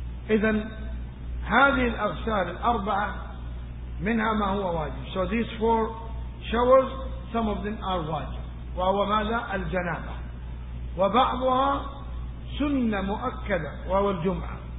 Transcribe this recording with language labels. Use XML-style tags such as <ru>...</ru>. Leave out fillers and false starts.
<ar>إذن هذه الأغسال الأربعة منها ما هو واجب.</ar> <en>So these four showers, some of them are واجب.</en> <ar>وهو ماذا؟ الجنابة. وبعضها سنة مؤكدة وهو الجمعة.</ar>